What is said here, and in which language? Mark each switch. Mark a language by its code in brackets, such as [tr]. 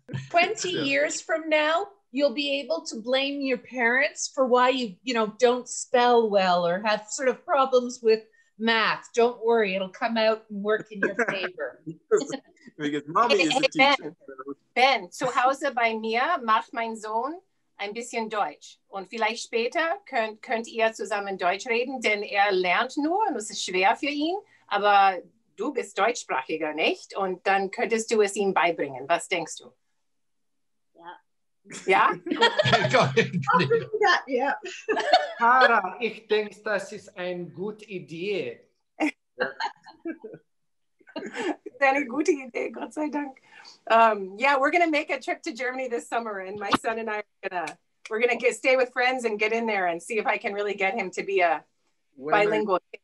[en] 20 years from now, you'll be able to blame your parents for why you don't spell well or have sort of problems with math. Don't worry, it'll come out and work in your favor. Because mommy is a teacher. [de] Ben, zu Hause bei mir macht mein Sohn ein bisschen Deutsch. Und vielleicht später könnt ihr zusammen Deutsch reden, denn er lernt nur und es ist schwer für ihn. Aber du bist deutschsprachiger, nicht? Und dann könntest du es ihm beibringen. Was denkst du? Ja. Ja? Ja. Kara, ich denke, das ist eine gute Idee. Eine gute Idee, Gott sei Dank. [en] Yeah, we're going to make a trip to Germany this summer, and my son and I are going to stay with friends and get in there and see if I can really get him to be a bilingual.